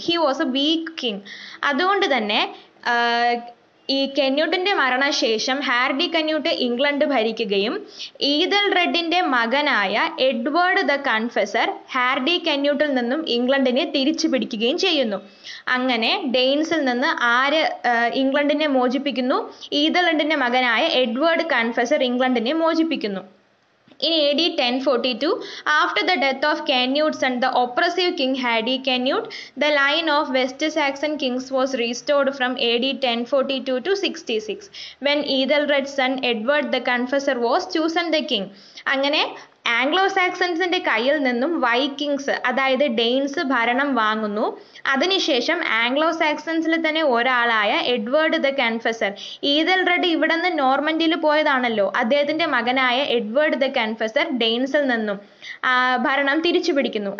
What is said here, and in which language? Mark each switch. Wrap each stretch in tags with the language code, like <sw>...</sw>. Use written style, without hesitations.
<en>He was a weak king.</en> <ml>അതുകൊണ്ട് തന്നെ ഈ കെന്യൂട്ടിൻ്റെ മരണശേഷം ഹാർഡി കെന്യൂട്ട് ഇംഗ്ലണ്ട് ഭരിക്കുകയും ഈതൽ റെഡിൻ്റെ മകനായ എഡ്വേർഡ് ദ കൺഫെസർ ഹാർഡി കെന്യൂട്ടിൽ നിന്നും ഇംഗ്ലണ്ടിനെ തിരിച്ചു പിടിക്കുകയും ചെയ്യുന്നു. അങ്ങനെ ഡെയ്ൻസിൽ നിന്ന് ആര് ഇംഗ്ലണ്ടിനെ മോചിപ്പിക്കുന്നു? ഈതൽ റെഡിൻ്റെ മകനായ എഡ്വേർഡ് കൺഫെസർ ഇംഗ്ലണ്ടിനെ മോചിപ്പിക്കുന്നു.</ml> <en>In AD 1042, after the death of Canute's son, the oppressive king Hardy Canute, the line of West Saxon kings was restored from AD 1042 to 66, when Ethelred's son Edward the Confessor was chosen the king.</en> <ml>അങ്ങനെ Anglo സാക്സൻസിൻ്റെ കയ്യിൽ നിന്നും Vikings അതായത് Daines ഭരണം വാങ്ങുന്നു. അതിനുശേഷം Anglo സാക്സൻസിൽ തന്നെ ഒരാളായ Edward the കൺഫെസർ, ethyl red ഇവിടെ നിന്ന് നോർമൻഡിയിൽ പോയതാണല്ലോ, അദ്ദേഹത്തിൻ്റെ മകനായ എഡ്വേർഡ് ദ കൺഫെസർ ഡെയ്ൻസിൽ നിന്നും ഭരണം തിരിച്ചു പിടിക്കുന്നു.</ml>